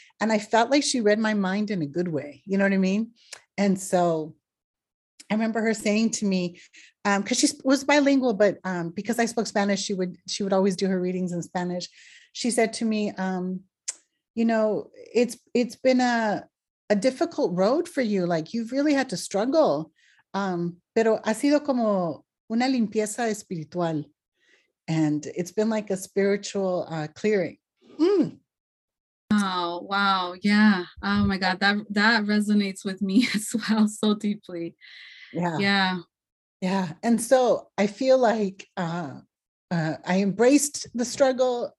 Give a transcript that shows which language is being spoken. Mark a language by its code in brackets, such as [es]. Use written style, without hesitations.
[en] And I felt like she read my mind in a good way. You know what I mean? And so I remember her saying to me, because she was bilingual, but because I spoke Spanish, she would always do her readings in Spanish. She said to me, you know, it's been a difficult road for you. Like you've really had to struggle. [es] Pero ha sido como una limpieza espiritual. [en] And it's been like a spiritual clearing. Mm. Wow. Yeah. Oh my God. That resonates with me as well so deeply. Yeah. And so I feel like I embraced the struggle.